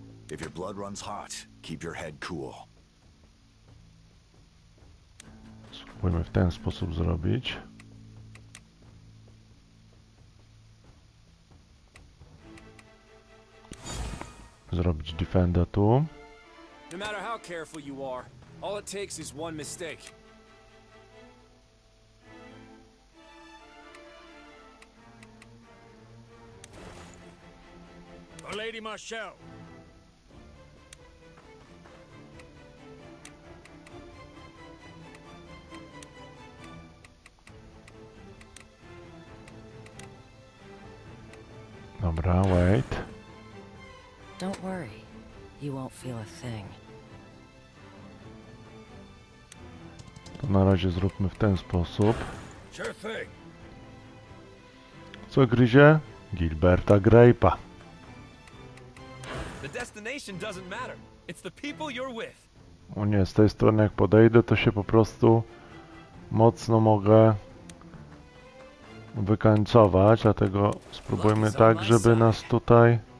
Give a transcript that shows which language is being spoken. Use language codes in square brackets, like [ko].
[en] If your blood runs hot, keep your head cool. [pl] Spróbujmy w ten sposób zrobić. Zrobić defenda tu. [en] No matter how careful you are, all it takes is one mistake. For Lady Marshall. [pl] Dobra, [en] wait. Don't worry. You won't feel a thing. [pl] To na razie zróbmy w ten sposób. Co gryzie? Gilberta Grape'a. [en] The destination doesn't matter. It's the people you're with. [pl] O nie, z tej strony jak podejdę, to się po prostu mocno mogę wykańcować, dlatego spróbujmy tak, żeby nas tutaj...